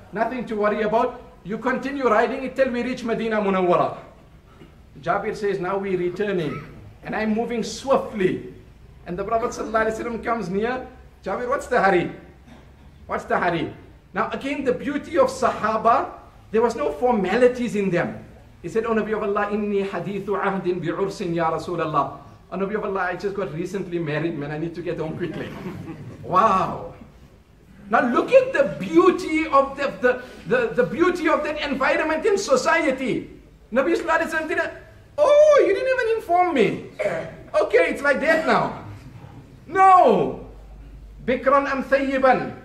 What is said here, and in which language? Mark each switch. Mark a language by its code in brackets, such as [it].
[en] Nothing to worry about. You continue riding it till we reach Medina Munawwara. Jabir says, now we're returning. And I'm moving swiftly. And the Prophet Sallallahu Alaihi Wasallam comes near. Jabir, what's the hurry? What's the hurry? Now again, the beauty of Sahaba, there was no formalities in them. He said, O Nabi of Allah, [ar] إِنِّي حَدِيثُ عَهْدٍ بِعُرْسٍ يَا رَسُولَ اللَّهِ. [en] O Nabi of Allah, I just got recently married, man. I need to get home quickly. Wow. Now look at the beauty of the beauty of that environment in society. Nabi Sallallahu Alaihi Wasallam didn't, oh, you didn't even inform me. Okay, it's like that now. No. [ar] Bikran am thayyiban.